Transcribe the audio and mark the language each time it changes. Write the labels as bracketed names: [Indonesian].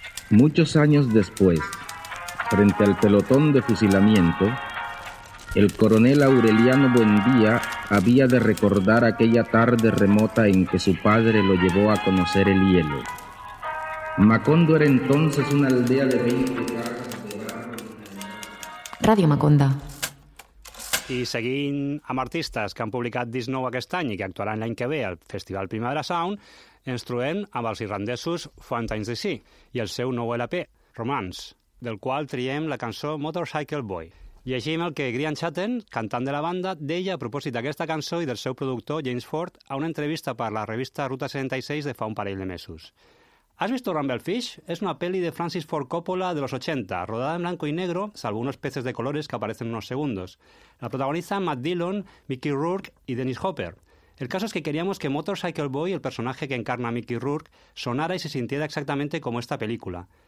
[Spanish] Muchos años después, frente al pelotón de fusilamiento, el coronel Aureliano Buendía había de recordar aquella tarde remota en que su padre lo llevó a conocer el hielo. Macondo era entonces una aldea de 20 años. Radio Maconda. [Catalan] I seguint amb artistes que han publicat disc nou aquest any i que actuaran l'any que ve al Festival Primavera Sound, ens trobem amb els irlandesos Fontaines D.C. i el seu nou LP, Romance, del qual triem la cançó Motorcycle Boy. Llegim el que Grian Chatten, cantant de la banda, deia a propòsit d'aquesta cançó i del seu productor, James Ford, a una entrevista per la revista Ruta 76 de fa un parell de mesos. [Spanish] ¿Has visto Rumblefish? Es una peli de Francis Ford Coppola de los 80, rodada en blanco y negro, salvo unos peces de colores que aparecen unos segundos. La protagonizan Matt Dillon, Mickey Rourke y Dennis Hopper. El caso es que queríamos que Motorcycle Boy, el personaje que encarna a Mickey Rourke, sonara y se sintiera exactamente como esta película.